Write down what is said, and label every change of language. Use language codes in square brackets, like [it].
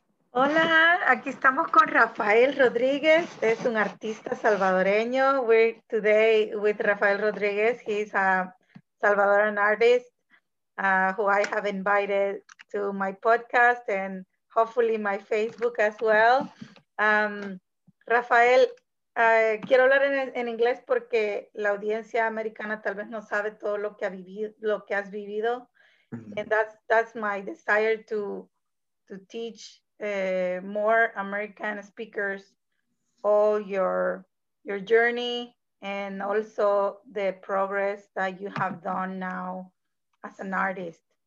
[es] Hola, aquí estamos con Rafael Rodríguez, es un artista salvadoreño. [en] We're today with Rafael Rodríguez. He's a Salvadoran artist who I have invited to my podcast and hopefully my Facebook as well. [es] Rafael, quiero hablar en inglés porque la audiencia americana tal vez no sabe todo lo que ha vivido, lo que has vivido. [en] And that's my desire to teach more American speakers all your journey and also the progress that you have done now as an artist.